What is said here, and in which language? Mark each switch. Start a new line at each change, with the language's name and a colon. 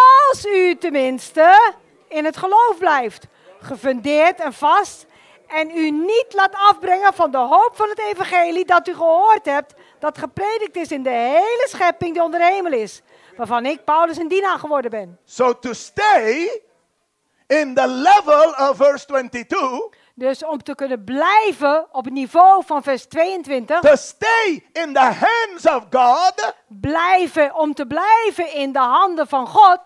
Dutch: Als u tenminste in het geloof blijft, gefundeerd en vast. En u niet laat afbrengen van de hoop van het evangelie dat u gehoord hebt. Dat gepredikt is in de hele schepping die onder de hemel is. Waarvan ik Paulus een dienaar geworden ben.
English: So to stay in the level of verse 22.
Dutch: Dus om te kunnen blijven op het niveau van vers 22.
English: To stay in the hands of God.
Dutch: Blijven, om te blijven in de handen van God.